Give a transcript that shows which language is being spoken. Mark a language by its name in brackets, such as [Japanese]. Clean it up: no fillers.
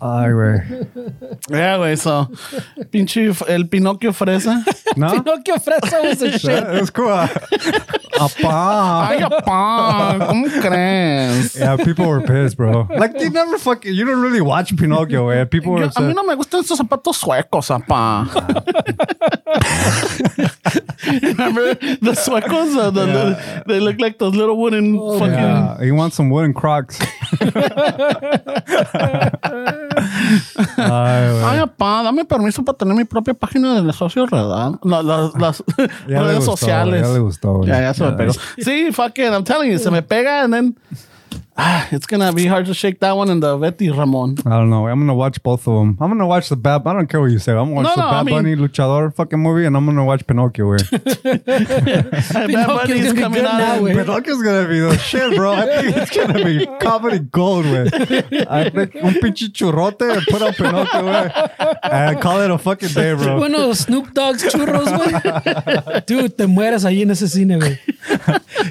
[Spanish] Ay, güey. [English] Yeah, güey. So, [Spanish] pinche el [English] Pinocchio Fresa. No? Pinocchio Fresa was a shit. It was cool. Apa. [Spanish] Ay, apa. ¿Cómo crees? [English] Yeah, people were pissed, bro. Like, you never fucking, you don't really watch Pinocchio, güey. People were upset. [Spanish] A mí no me gustan esos zapatos suecos, apa. [English] Remember the suecos? They look like those little wooden fucking. Yeah, he wants some wooden Crocs. [Spanish] Ay, apá, dame permiso para tener mi propia página de negocios, ¿verdad? Las redes sociales. Ya le gustó. Ya se me pegó. Sí, [English] fucking, I'm telling you, [Spanish] se me pega [English] and then It's going to be hard to shake that one and the Betty Ramon. I don't know. I'm going to watch both of them. I'm going to watch the Bad... I don't care what you say. I'm going to watch Bunny Luchador fucking movie, and I'm going to watch Pinocchio here. Pinocchio's Bad Bunny's coming out. Pinocchio's going to be the shit, bro. I think it's going to be comedy gold, man. I think [Spanish] un pinche churrote [English] and put up Pinocchio, man. And call it a fucking day, bro. One of those Snoop Dogg's churros, man. Dude, [Spanish] te mueres ahí en ese cine, güey.